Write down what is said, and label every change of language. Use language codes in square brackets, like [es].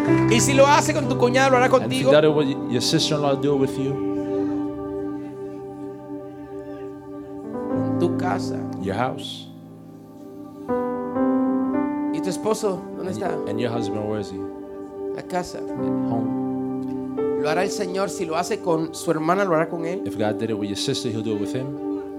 [es] Y si lo hace con tu cuñada, lo hará contigo. [en] And if you got it with your sister-in-law, do it with you. [es] En tu casa. [en] Your house. [es] ¿Y tu esposo dónde está? [en] And your husband, where is he? [es] La casa. [en] At home. [es] Lo hará el Señor si lo hace con su hermana, lo hará con él. [en] If God did it with your sister, he'll do it with him.